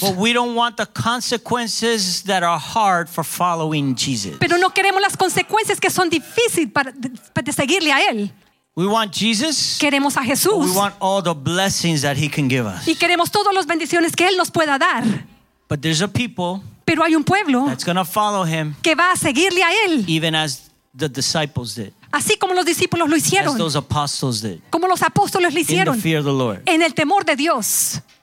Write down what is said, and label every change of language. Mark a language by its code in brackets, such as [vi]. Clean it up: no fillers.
[en] but we don't want the consequences that are hard for following Jesus. [es] Pero no queremos las consecuencias que son difíciles para seguirle a él. [en] We want Jesus. [es] Queremos a Jesús. [en] We want all the blessings that he can give us. [es] Y queremos todas las bendiciones que él nos pueda dar. [en] But there's a people. [es] Pero hay un pueblo [en] that's going to follow him, [es] que va a seguirle a él, [en] even as the disciples did, [es] así como los discípulos lo hicieron, [en] as those apostles did, [es] como los apóstoles lo hicieron, [en] in the fear of the Lord, [es] en el temor de Dios.